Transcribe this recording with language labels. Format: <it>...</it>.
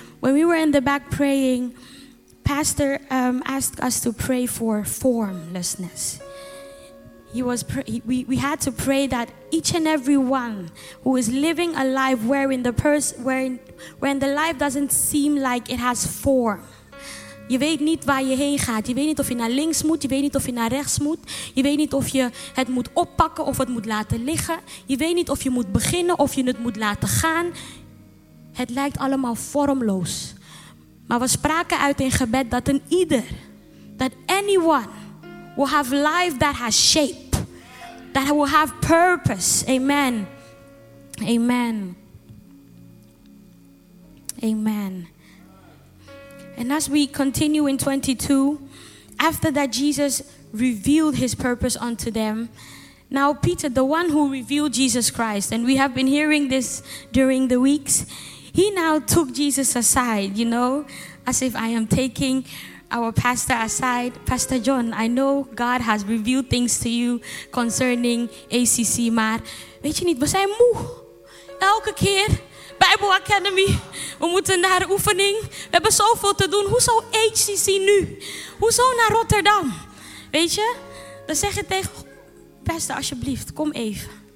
<en>When we were in the back praying, Pastor asked us to pray for formlessness. We had to pray that each and every one who is living a life wherein the life doesn't seem like it has form.</en> <nl>Je weet niet waar je heen gaat. Je weet niet of je naar links moet. Je weet niet of je naar rechts moet. Je weet niet of je het moet oppakken of het moet laten liggen. Je weet niet of je moet beginnen of je het moet laten gaan. Het lijkt allemaal vormloos. Maar we spraken uit in gebed dat een ieder,</nl> <en>that anyone will have life that has shape. That will have purpose. Amen. Amen. Amen. And as we continue in 22, after that Jesus revealed his purpose unto them, Now, Peter, the one who revealed Jesus Christ, and we have been hearing this during the weeks, he now took Jesus aside, you know, as if I am taking our pastor aside. Pastor John, I know God has revealed things to you concerning ACC, Mar.</en> <nl>Weet je niet, we zijn moe. Elke keer, Bible Academy, we moeten naar oefening. We hebben zoveel te doen. Hoezo ACC nu? Hoezo naar Rotterdam? Weet je, dan zeg je tegen pastor, alsjeblieft, kom even.</nl>